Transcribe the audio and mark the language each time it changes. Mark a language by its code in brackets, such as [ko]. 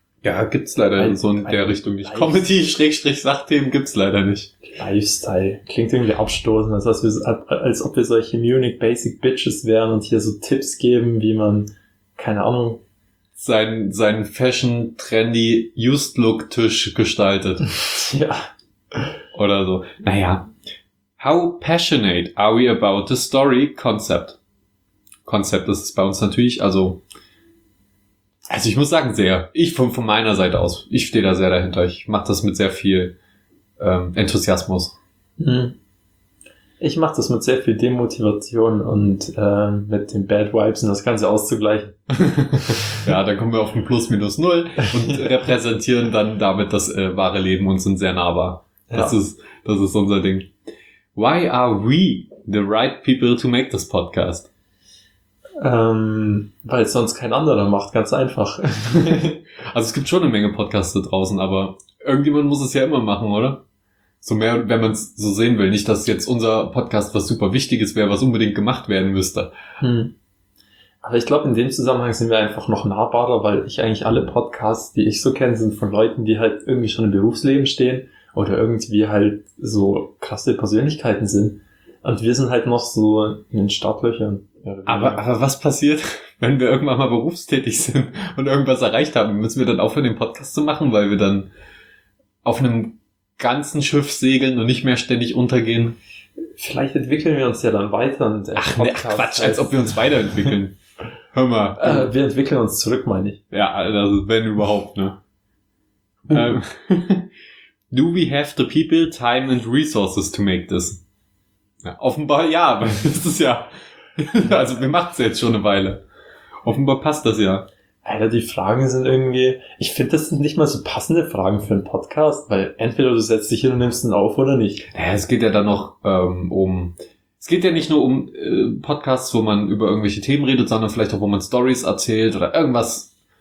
[de] Ja, gibt's leider in so in der Richtung nicht. Comedy-Sachthemen gibt's leider nicht. Lifestyle. Klingt irgendwie abstoßend, als ob wir solche Munich Basic Bitches wären und hier so Tipps geben, wie man, keine Ahnung, seinen Fashion-Trendy Used-Look-Tisch gestaltet. Ja. Oder so. Naja. [en] How passionate are we about the story concept? [de] Konzept ist es bei uns natürlich, also ich muss sagen, sehr. Ich von meiner Seite aus, ich stehe da sehr dahinter. Ich mache das mit sehr viel Enthusiasmus. Ich mache das mit sehr viel Demotivation und mit den Bad Vibes und das Ganze auszugleichen. Ja, dann kommen wir auf ein Plus, Minus, Null und repräsentieren dann damit das wahre Leben und sind sehr nahbar. Das ist unser Ding. [en] Why are we the right people to make this podcast? [de] Weil es sonst kein anderer macht, ganz einfach. Also es gibt schon eine Menge Podcasts da draußen, aber irgendjemand muss es ja immer machen, oder? So mehr, wenn man es so sehen will. Nicht, dass jetzt unser Podcast was super Wichtiges wäre, was unbedingt gemacht werden müsste. Aber ich glaube, in dem Zusammenhang sind wir einfach noch nahbarer, weil ich eigentlich alle Podcasts, die ich so kenne, sind von Leuten, die halt irgendwie schon im Berufsleben stehen oder irgendwie halt so krasse Persönlichkeiten sind. Und wir sind halt noch so in den Startlöchern. Aber was passiert, wenn wir irgendwann mal berufstätig sind und irgendwas erreicht haben? Müssen wir dann aufhören, den Podcast zu machen, weil wir dann auf einem ganzen Schiff segeln und nicht mehr ständig untergehen? Vielleicht entwickeln wir uns ja dann weiter. Quatsch, als ob wir uns weiterentwickeln. Hör mal. Wir entwickeln uns zurück, meine ich. Ja, also wenn überhaupt, ne? [en] Do we have the people, time and resources to make this? [de] Ja, offenbar ja, weil das ist ja... Also wir machen es jetzt schon eine Weile. Offenbar passt das ja. Alter, die Fragen sind irgendwie... Ich finde, das sind nicht mal so passende Fragen für einen Podcast, weil entweder du setzt dich hin und nimmst ihn auf oder nicht. Naja, es geht ja dann noch Es geht ja nicht nur um Podcasts, wo man über irgendwelche Themen redet, sondern vielleicht auch, wo man Stories erzählt oder irgendwas